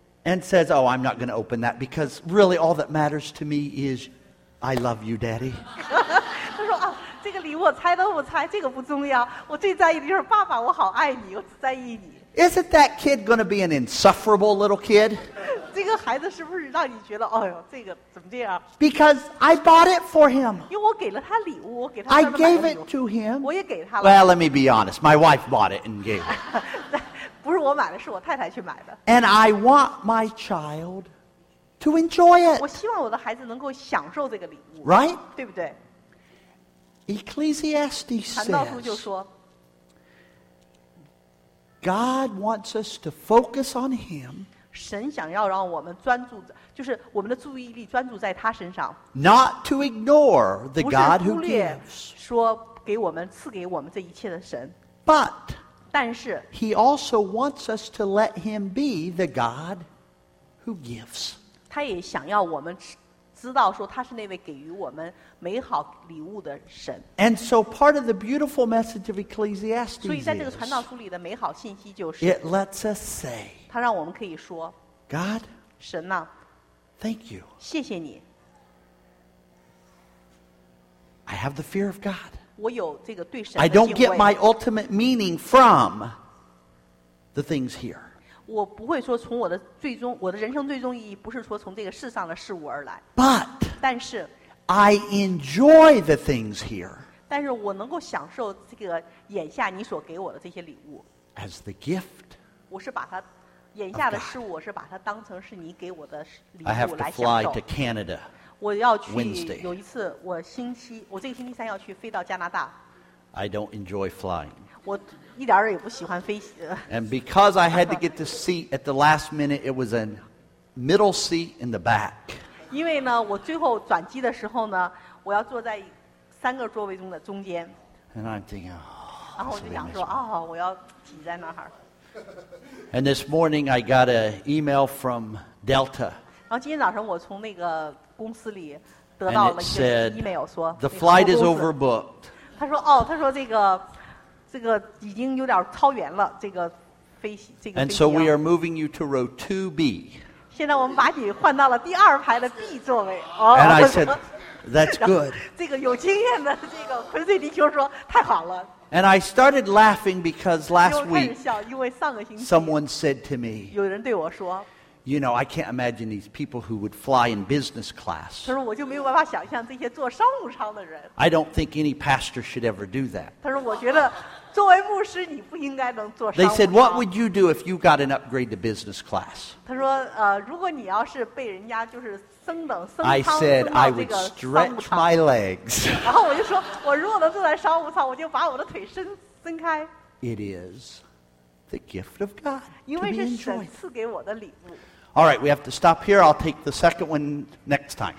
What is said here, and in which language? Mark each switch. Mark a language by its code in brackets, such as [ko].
[en] And says, oh, I'm not going to open that because really all that matters to me is I love you, Daddy. [zh] 他说啊，这个礼物我猜都不猜，这个不重要。我最在意的就是爸爸，我好爱你，我只在意你。 [en] Isn't that kid going to be an insufferable little kid? [zh] 这个孩子是不是让你觉得，哎呦，这个怎么这样？ [en] Because I bought it for him. [zh] 因为我给了他礼物，我给他。 [en] I gave it to him. [zh] 我也给他了。 [en] Well, let me be honest. My wife bought it and gave it. [zh] 不是我买的，是我太太去买的。 [en] And I want my child to enjoy it. [zh] 我希望我的孩子能够享受这个礼物。 [en] Right? [zh] 对不对 [en] ？Ecclesiastes says. [zh] 传道书就说 [en] ，God wants us to focus on Him. [zh] 神想要让我们专注，就是我们的注意力专注在他身上。 [en] Not to ignore the God who gives. [zh] 不是忽略说给我们赐给我们这一切的神。 [en] But [zh] 但是 [en] He also wants us to let Him be the God who gives. [zh] 他也想要我们知道说他是那位给予我们美好礼物的神。 [en] And so part of the beautiful message of Ecclesiastes is. [zh] 所以在这个传道书里的美好信息就是 [en] It lets us say. [zh] 他让我们可以说 [en] God. [zh] 神呐 [en] Thank you. [zh] 谢谢你。 [en] I have the fear of God. [zh] 我有这个对神的敬畏。 [en] I don't get my ultimate meaning from the things here. [zh] 我不会说从我的最终，我的人生最终意义不是说从这个世上的事物而来。 [en] But [zh] 但是 [en] I enjoy the things here. [zh] 但是我能够享受这个眼下你所给我的这些礼物。 [en] As the gift. [zh] 我是把它。眼下的事物，我是把它当成是你给我的礼物来享受。 [en] I have to fly to Canada. [zh] 我要去。 [en] Wednesday. [zh] 有一次，我星期，我这个星期三要去飞到加拿大。 [en] I don't enjoy flying. [zh] 我一点也不喜欢飞。 [en] And because I had to get the seat at the last minute, it was a middle seat in the back. [zh] 因为呢，我最后转机的时候呢，我要坐在三个座位中的中间。 [en] And I'm thinking, [zh] oh, 然后我就想说，哦，我要挤在那儿。 [en] And this morning I got an email from Delta. [zh] 然后今天早上我从那个公司里得到了一个 email， 说 [en] the flight is overbooked. [zh] 他说哦，他说这个已经有点超员了，这个飞机。 [en] And so we are moving you to row 2B. [zh] 现在我们把你换到了第二排的 B 座位。 [en] And I said, that's good. [zh] 这个有经验的这个昆西迪说太好了。 [en] And I started laughing because last week, [zh] 笑，因为上个星期 [en] someone said to me, [zh] 有人对我说 [en] you know, I can't imagine these people who would fly in business class. [zh] 他说我就没有办法想象这些坐商务舱的人。 [en] I don't think any pastor should ever do that. [zh] 他说我觉得作为牧师你不应该能坐商务舱。 [en] They said, what would you do if you got an upgrade to business class? [zh] 他说如果你要是被人家就是升等升舱。 [en] I said, I would stretch my legs. [zh] 然后我就说我如果能坐在商务舱我就把我的腿伸开。 [en] It is the gift of God. [zh] 因为是神赐给我的礼物。 [en] All right, we have to stop here. I'll take the second one next time.